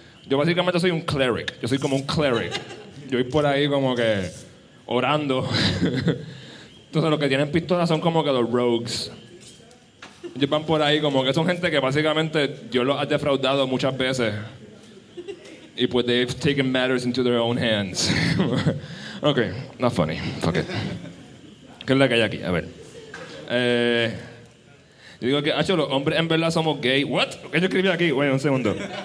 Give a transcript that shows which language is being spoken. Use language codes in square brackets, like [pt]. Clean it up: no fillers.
[es] Yo básicamente soy un cleric. Yo soy como un cleric. Yo voy por ahí como que orando. Entonces los que tienen pistolas son como que los rogues. Ellos van por ahí como que son gente que básicamente yo los ha defraudado muchas veces. Y pues [en] they've taken matters into their own hands. Ok, not funny. Fuck it. [es] ¿Qué es la que hay aquí? A ver. Yo digo que, hacho, los hombres en verdad somos gay. [en] What? [es] ¿Qué yo escribí aquí? [en] Wait, [es] un segundo.